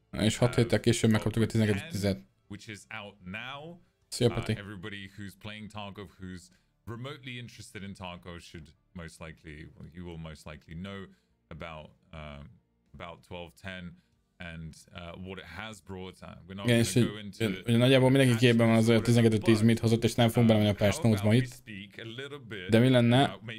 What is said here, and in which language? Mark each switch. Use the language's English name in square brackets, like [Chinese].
[Hungarian] És 6 héttel később megkaptuk a 12.10-et. [English] Which is out now. [Hungarian] Szia, Pati. [English] Everybody who's playing Tarkov, who's remotely interested in Tarkov, should most likely, you will most likely know about 12.10. And what it has brought, we're not going to go into. [Hungarian] Ugye nagyjából mindenki képben van az, hogy a 12.10 mit hozott, és nem fogunk belemenni a patch notes-ba itt. De mi lenne?